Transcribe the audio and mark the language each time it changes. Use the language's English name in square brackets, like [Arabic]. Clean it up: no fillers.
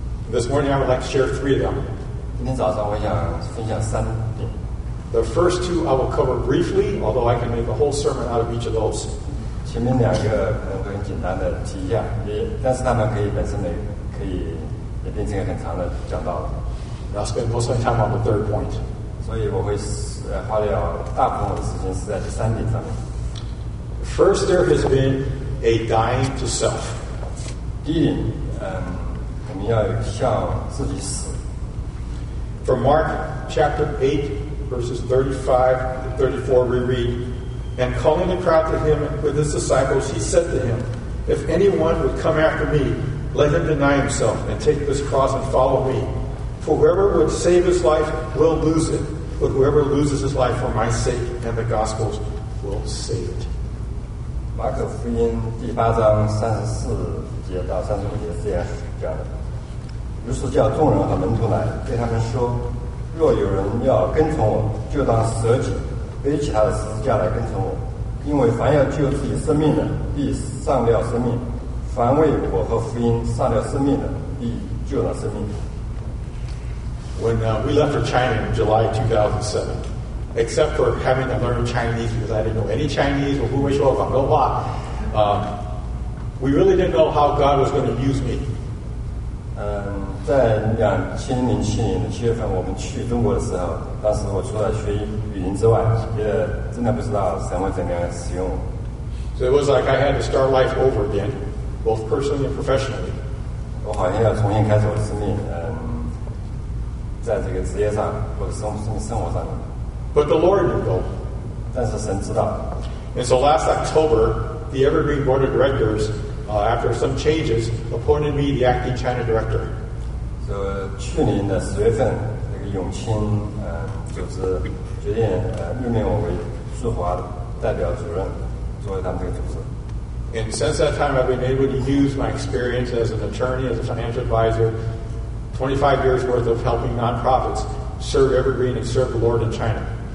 [English] This morning I would like to share 3 of them. [Chinese] 今天早上我想分享三点。 [English] The first 2 I will cover briefly, although I can make a whole sermon out of each of those. [Chinese] 前面两个可能会很简单的提一下，但是他们可以本身也变成一个很长的讲道了。 [English] I'll spend most of my time on the third point. [Chinese] 所以我会。花了大部分的时间是在这三点上面。 [English] First, there has been a dying to self. [Chinese] 第一点，我们要向自己死。 [English] From Mark chapter 8, verses 35 to 34, we read, And calling the crowd to him with his disciples, he said to him, If anyone would come after me, let him deny himself and take this cross and follow me. For whoever would save his life will lose it. But whoever loses his life for my sake and the gospel's will save it. [Chinese] 马可福音第八章三十四节到三十五节这样讲的，于是叫众人和门徒来，对他们说：若有人要跟从我，就当舍己，背起他的十字架来跟从我。因为凡要救自己生命的，必丧掉生命；凡为我和福音丧掉生命的，必救了生命。 [English] When we left for China in July 2007, except for having to learn Chinese because I didn't know any Chinese or who we should have gone, we really didn't know how God was going to use me. [Chinese] 在2007年的七月份，我们去中国的时候，当时我除了学语音之外，也真的不知道神会怎么样使用我。 [English] So it was like I had to start life over again, both personally and professionally. [Chinese] 我好像要重新开始我的生命。在这个职业上或者生活上 [English] But the Lord knew though. [Chinese] 但是神知道。 [English] And so last October, the Evergreen Board of Directors, after some changes, appointed me the acting China director. [Chinese] So, 去年的十月份，那个永清组织决定任命我为驻华代表主任，作为他们这个组织。 [English] And since that time, I've been able to use my experience as an attorney, as a financial advisor. 25 years worth of helping nonprofits serve Evergreen and serve the Lord in China.